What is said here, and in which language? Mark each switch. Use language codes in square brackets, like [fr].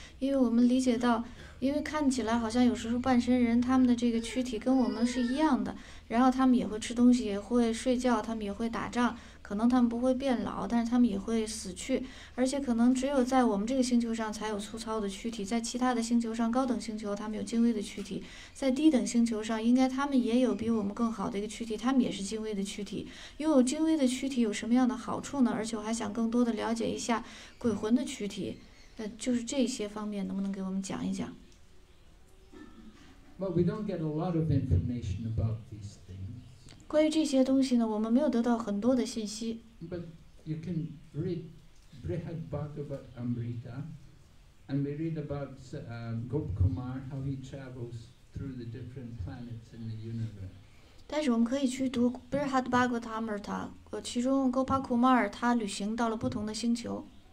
[zh] 因为我们理解到，因为看起来好像有时候半身人他们的这个躯体跟我们是一样的，然后他们也会吃东西，也会睡觉，他们也会打仗，可能他们不会变老，但是他们也会死去，而且可能只有在我们这个星球上才有粗糙的躯体，在其他的星球上，高等星球他们有精微的躯体，在低等星球上应该他们也有比我们更好的一个躯体，他们也是精微的躯体。拥有精微的躯体有什么样的好处呢？而且我还想更多的了解一下鬼魂的躯体，就是这些方面能不能给我们讲一讲。 [en] But we don't get a lot of information about these things. [zh] 关于这些东西呢，我们没有得到很多的信息。 [en] But you can read Brihad Bhagavat Amrita, and we read about Gop Kumar, how he travels through the different planets in the universe. [zh] 但是我们可以去读 Brihad Bhagavat Amrita， 其中 Gopal Kumar 他旅行到了不同的星球。